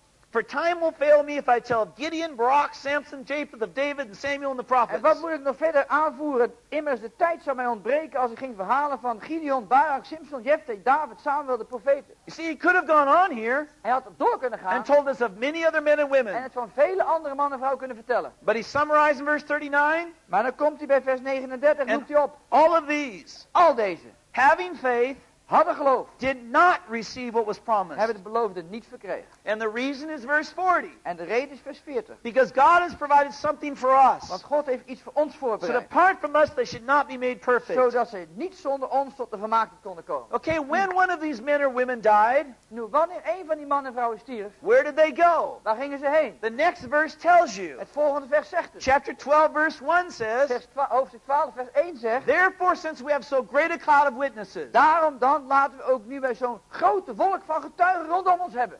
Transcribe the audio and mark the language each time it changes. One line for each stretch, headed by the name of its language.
English: For time will fail me if I tell of Gideon, Barak, Samson, Japheth, of David, and Samuel and the prophets.
Dutch: En wat moet ik nog verder aanvoeren? Immers de tijd zou mij ontbreken als ik ging verhalen van Gideon, Barak, Samson, Jefte, David, Samuel, de profeten.
English: You see, he could have gone on here.
Dutch: Hij had door kunnen gaan.
English: And told us of many other men and women.
Dutch: En het van vele andere mannen en vrouwen kunnen vertellen.
English: But he summarized in verse 39.
Dutch: Maar dan komt hij bij vers 39 en roept hij op.
English: All of these.
Dutch: Al deze.
English: Having faith.
Dutch: Hadden geloof.
English: Did not receive what was promised.
Dutch: Hebben de beloofde niet verkregen.
English: And the reason is verse 40.
Dutch: En de reden is vers 40.
English: Because God has provided something for us.
Dutch: Want God heeft iets voor ons voorbereid.
English: So that apart from us they should not be made perfect.
Dutch: Zodat ze niet zonder ons tot de vermaaktheid konden komen.
English: Okay, when one of these men or women died.
Dutch: Nu, wanneer een van die mannen en vrouwen stierf.
English: Where did they go?
Dutch: Waar gingen ze heen?
English: The next verse tells you.
Dutch: Het volgende vers zegt het.
English: Chapter 12 verse 1 says.
Dutch: Hoofdstuk 12 vers 1 zegt.
English: Therefore since we have so great a cloud of witnesses.
Dutch: Daarom dan. Laten we ook nu bij zo'n grote wolk van getuigen rondom ons hebben.